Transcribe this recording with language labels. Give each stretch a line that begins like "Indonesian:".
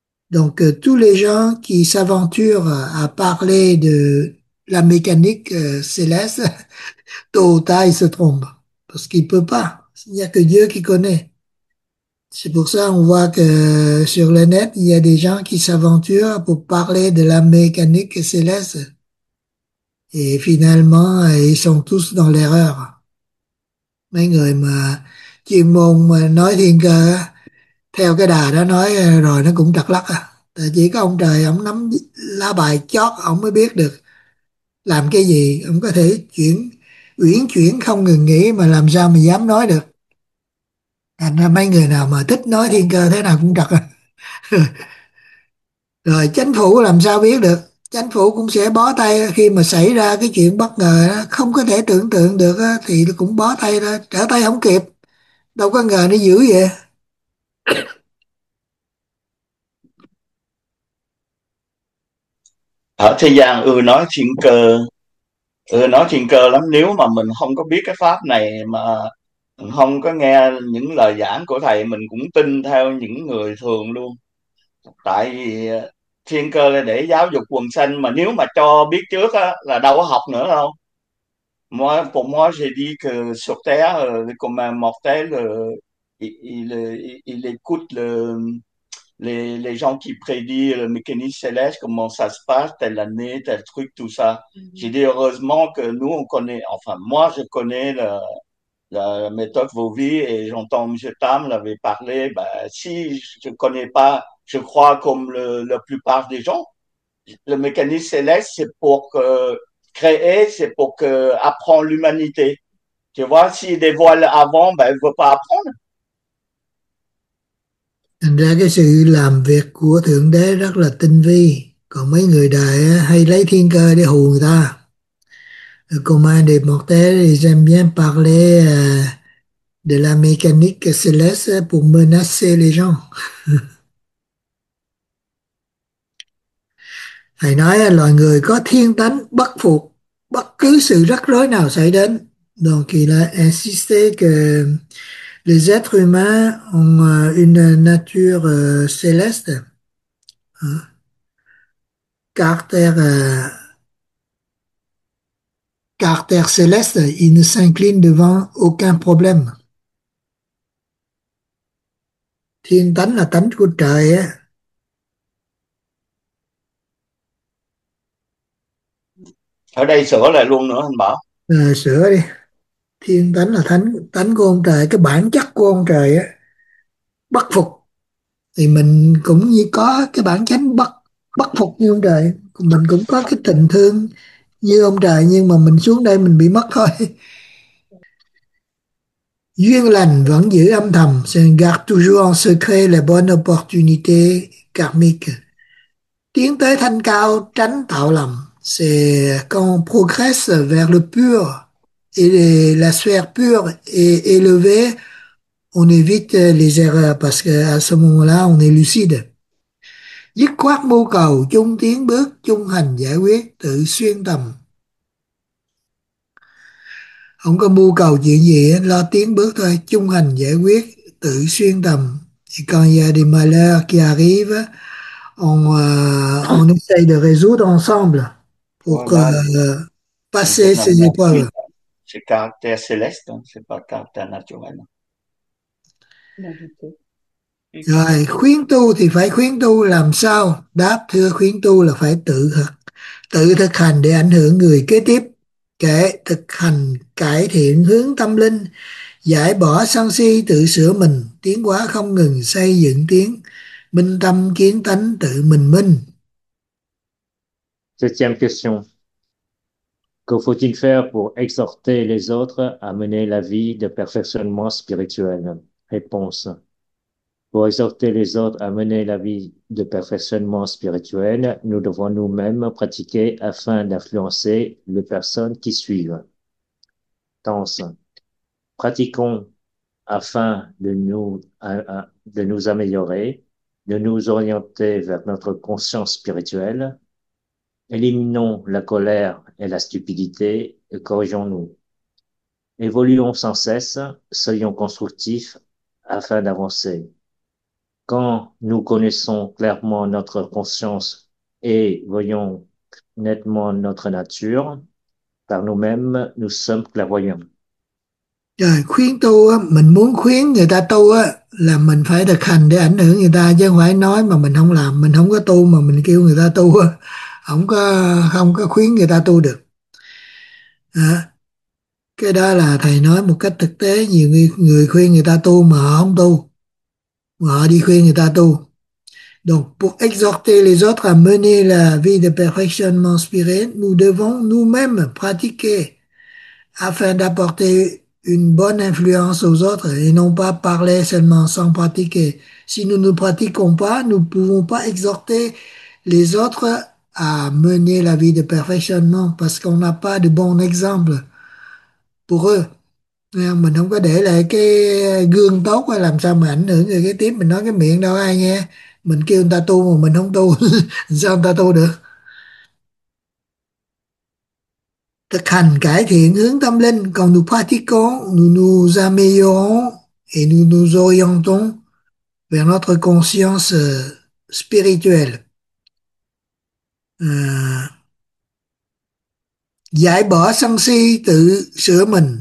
French: Donc tous les gens qui s'aventurent à parler de la mécanique céleste, tôt ou tard, il se trompe. Parce qu'il peut pas. Il n'y a que Dieu qui connaît. C'est pour ça qu'on voit que sur le net, il y a des gens qui s'aventurent pour parler de la mécanique céleste. Et finalement, ils sont tous dans l'erreur.
Vietnamese: Mấy người mà chuyên môn mà nói thiên cơ, theo cái đà đó nói rồi nó cũng trật lắc à. Tại chỉ có ông trời, ông nắm lá bài chót, ông mới biết được làm cái gì, ông có thể chuyển uyển chuyển không ngừng nghỉ mà làm sao mà dám nói được. Thành ra mấy người nào mà thích nói thiên cơ thế nào cũng trật. Rồi chánh phủ làm sao biết được, chánh phủ cũng sẽ bó tay khi mà xảy ra cái chuyện bất ngờ đó. Không có thể tưởng tượng được đó, thì cũng bó tay thôi, trở tay không kịp, đâu có ngờ nó dữ vậy. Ở thế gian ưa nói chuyện cơ, ưa nói chuyện cơ lắm. Nếu mà mình không có biết cái pháp này mà không có nghe những lời giảng của thầy, mình cũng tin theo những người thường luôn. Tại vì thiên cơ là để giáo dục quần sanh, mà nếu mà cho biết trước á, là đâu có học nữa đâu.
French: Moi, pour moi, j'ai dit que sur terre, comme un mortel, il écoute les gens qui prédisent le mécanisme céleste, comment ça se passe, telle année, tel truc, tout ça. J'ai dit heureusement que nous, on connaît, enfin, moi, je connais la méthode Vovi et j'entends M. Tam l'avait parlé. Ben, si je ne connais pas je crois, comme la plupart des gens. Le mécanisme céleste, c'est pour créer, c'est pour apprendre l'humanité. Tu vois, s'il dévoile avant, ben, il ne veut pas apprendre.
Vietnamese: Thành ra cái sự làm việc của Thượng Đế rất là tinh vi, còn mấy người đời hay lấy thiên cơ để hù người ta.
French: Comment des mortels, ils aiment bien parler de la mécanique céleste pour menacer les gens.
Vietnamese: Thầy nói loài người có thiên tánh bất phục bất cứ sự rắc rối nào xảy đến.
French: Donc il a insisté que les êtres humains ont une nature céleste, caractère céleste, ils ne s'inclinent devant aucun problème.
Vietnamese: Thiên tánh là tánh của trời á. Ở đây sửa lại luôn nữa anh bảo. Sửa đi. Thiên tánh là thánh tánh của ông trời, cái bản chất của ông trời á, bất phục, thì mình cũng như có cái bản chất bất bất phục như ông trời, mình cũng có cái tình thương như ông trời, nhưng mà mình xuống đây mình bị mất thôi. Duyên lành vẫn giữ âm thầm,
French: garde toujours en secret les bonnes opportunités karmiques,
Vietnamese: tiến tới thanh cao tránh tạo lầm,
French: c'est qu'on progresse vers le pur. Et la sphère pure est élevée, on évite les erreurs parce qu'à ce moment-là, on est lucide.
Vietnamese: Dứt khoát mưu cầu, chung tiến bước, chung hành giải quyết, tự xuyên tầm. Không có mưu cầu chuyện gì, lo tiến bước thôi, chung hành giải quyết, tự xuyên tầm.
French: Et quand il y a des malheurs qui arrivent, on essaye de résoudre ensemble pour Voilà, c'est passer la ces suite. épreuves. C'est caractère céleste, hein, c'est pas caractère naturel.
Vietnamese: Rồi, khuyến tu thì phải khuyến tu làm sao? Đáp, thưa, khuyến tu là phải tự thực hành để ảnh hưởng người kế tiếp, kể thực hành cải thiện hướng tâm linh, giải bỏ sân si, tự sửa mình, tiến hóa không ngừng, xây dựng tiếng minh tâm kiến tánh, tự mình minh.
French: Septième question. Que faut-il faire pour exhorter les autres à mener la vie de perfectionnement spirituel? Réponse. Pour exhorter les autres à mener la vie de perfectionnement spirituel, nous devons nous-mêmes pratiquer afin d'influencer les personnes qui suivent. Tense. Pratiquons afin de nous améliorer, de nous orienter vers notre conscience spirituelle. Éliminons la colère et la stupidité et corrigeons-nous. Évoluons sans cesse, soyons constructifs afin d'avancer. Quand nous connaissons clairement notre conscience et voyons nettement notre nature, par nous-mêmes, nous sommes clairvoyants.
Vietnamese: Rồi, khuyến tu á, mình muốn khuyến người ta tu á là mình phải thực hành để ảnh hưởng người ta, chứ không phải nói mà mình không làm. Mình không có tu mà mình kêu người ta tu á, không có khuyến người ta tu được. À, cái đó là thầy nói một cách thực tế. Nhiều người khuyên người ta tu mà họ không tu, mà họ đi khuyên người ta tu.
French: Donc, pour exhorter les autres à mener la vie de perfectionnement spirituel, nous devons nous-mêmes pratiquer afin d'apporter une bonne influence aux autres et non pas parler seulement sans pratiquer. Si nous ne pratiquons pas, nous ne pouvons pas exhorter les autres à mener la vie de perfectionnement parce qu'on n'a pas de bon exemple pour eux.
Vietnamese: Mình không có để lại cái gương tốt hay làm sao mà ảnh hưởng người kế tiếp. Mình nói cái miệng đâu ai nghe. Mình kêu người ta tu mà mình không tu. Sao người ta tu được? Thực hành cải thiện hướng tâm linh, còn
French: nous pratiquons, nous nous améliorons et nous nous orientons vers notre conscience spirituelle.
Vietnamese: Giải bỏ sân si, tự sửa mình.